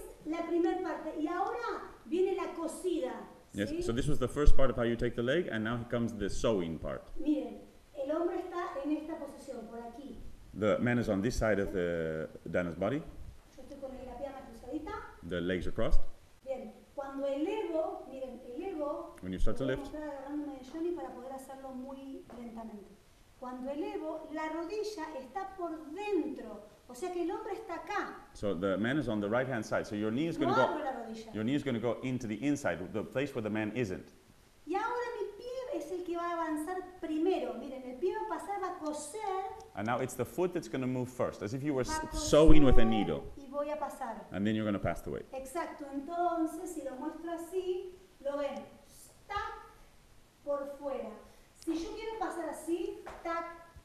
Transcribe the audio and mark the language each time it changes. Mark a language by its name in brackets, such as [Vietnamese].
[Spanish] La primera parte y ahora viene la cosida. [English] Yes. [Spanish] ¿Sí? [English] So this was the first part of how you take the leg, and now comes the sewing part. [Spanish] Miren, el hombre está en esta posición por aquí. [English] The man is on this side of the Dana's body. [Spanish] Yo estoy con la pierna cruzadita. [English] The legs are crossed. [Spanish] Bien, cuando elevo, miren, elevo. [English] When you start to lift. [Spanish] Estoy agarrándome de Johnny para poder hacerlo muy lentamente. Cuando elevo, la rodilla está por dentro. O sea que el hombre está acá. [English] So the man is on the right hand side. So your knee is going to go. Your knee is going to go into the inside, the place where the man isn't. [Spanish] Y ahora mi pie es el que va a avanzar primero. Miren, el pie va a pasar, va a coser. [English] And now it's the foot that's going to move first, as if you were sewing with a needle. [Spanish] Y voy a pasar. [English] And then you're going to pass the weight. [Spanish] Exacto. Entonces, si lo muestro así, lo ven. Tac, por fuera. Si yo quiero pasar así, tac.